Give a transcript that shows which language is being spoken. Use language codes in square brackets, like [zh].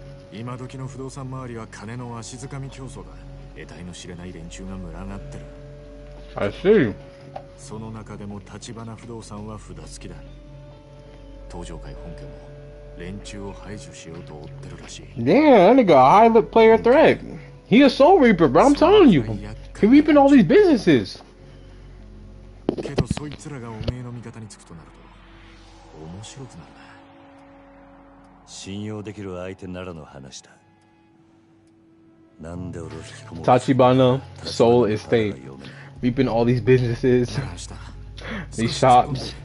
[ja] 今時の不動産周りは金の足掴み競争だ。得体の知れない連中が群がってる。 [en] I see. [ja] その中でも立花不動産は札付きだ。東上会本家も連中を排除しようと追ってるらしい。 [en] Damn, that nigga a high level player threat. He a soul reaper, but I'm telling you, he reaping all these businesses. [ja] けどそいつらがおめえの味方につくとなると。面白くなるな。信用できる相手ならの話だ。なんで俺を引き込む。 [en] Tachibana Soul Estate. We've been all these businesses. These shops.